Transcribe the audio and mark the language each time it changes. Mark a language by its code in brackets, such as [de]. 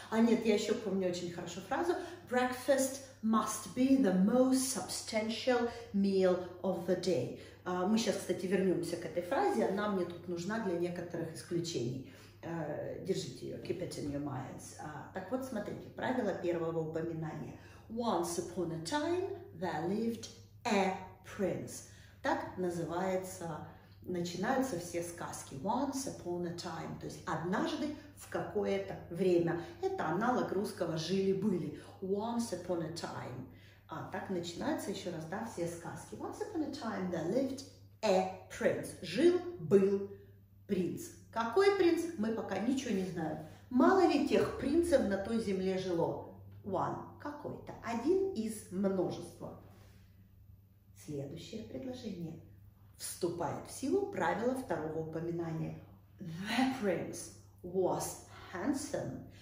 [ru] А нет, я еще помню очень хорошо фразу [en] «breakfast must be the most substantial meal of the day». [ru] Мы сейчас, кстати, вернемся к этой фразе, она мне тут нужна для некоторых исключений. Держите ее, [en] keep it in your minds. [ru] Так вот, смотрите, правило первого упоминания. [en] Once upon a time there lived a prince. [ru] Так называется, начинаются все сказки. [en] Once upon a time, [ru] то есть однажды в какое-то время. Это аналог русского «жили-были». [en] Once upon a time. [ru] А так начинаются еще раз, да, все сказки. [en] Once upon a time there lived a prince. [ru] Жил-был принц. Какой принц? Мы пока ничего не знаем. Мало ли тех принцев на той земле жило. One. Какой-то. Один из множества. Следующее предложение. Вступает в силу правило второго упоминания. [en] The prince was handsome.